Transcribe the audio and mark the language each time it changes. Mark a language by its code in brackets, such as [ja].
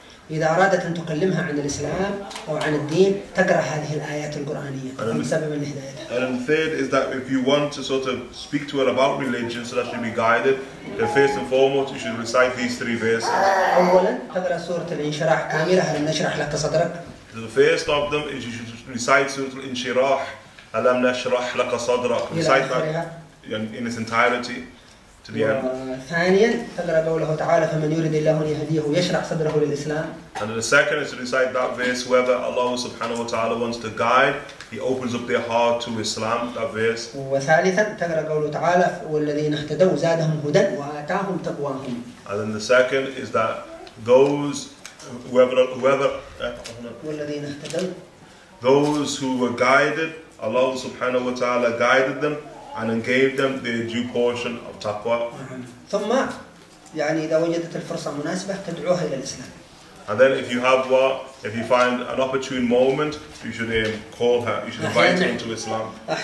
[ar] إذا أرادت أن تكلمها عن الإسلام أو عن الدين تقرأ هذه الآيات القرآنية من سبب الهداية. [en] And the third is that if you want to sort of speak to her about religion so that she'll be guided, then first and foremost you should recite these three verses. [ar] أولا تقرأ سورة الانشراح كاملة ألم نشرح لك صدرك. [en] The first of them is you should recite [ar] سورة الانشراح ألم نشرح لك صدرك. [en] Recite that in its entirety. [ar] ثانيا تقرأ قوله تعالى فمن يريد الله أن يهديه يشرح صدره للإسلام. [en] And the second is to recite that verse, whoever Allah subhanahu wa ta'ala wants to guide, He opens up their heart to Islam, that verse. [ar] وثالثا تقرأ قوله تعالى والذين اهتدوا زادهم هدى وآتاهم تقواهم. [en] And then the second is that those who were guided, Allah subhanahu wa ta'ala guided them and then gave them the due portion of taqwa. [ar] ثم يعني إذا وجدت الفرصة مناسبة تدعوها إلى الإسلام. [en] And then if you have what, if you find an opportune moment, you should call her, you should invite her into Islam.